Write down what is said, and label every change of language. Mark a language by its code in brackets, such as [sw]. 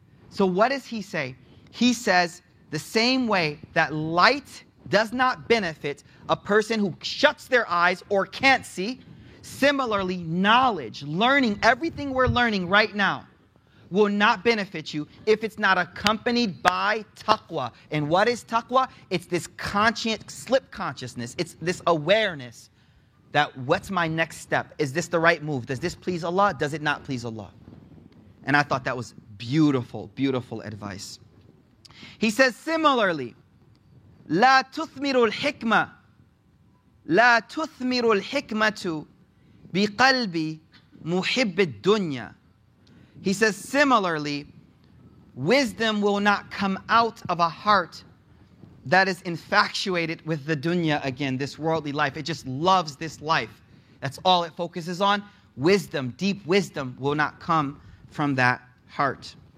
[en] So what does he say? He says the same way that light does not benefit a person who shuts their eyes or can't see, similarly, knowledge, learning, everything we're learning right now will not benefit you if it's not accompanied by taqwa. And what is taqwa? It's this conscious slip consciousness. It's this awareness that what's my next step? Is this the right move? Does this please Allah? Does it not please Allah? And I thought that was beautiful, beautiful advice. He says similarly, [ar] لا تثمر الحكمة لا تثمر الحكمة بقلب محب الدنيا. [en] He says similarly, wisdom will not come out of a heart that is infatuated with the dunya again, this worldly life. It just loves this life. That's all it focuses on. Wisdom, deep wisdom, will not come from that heart.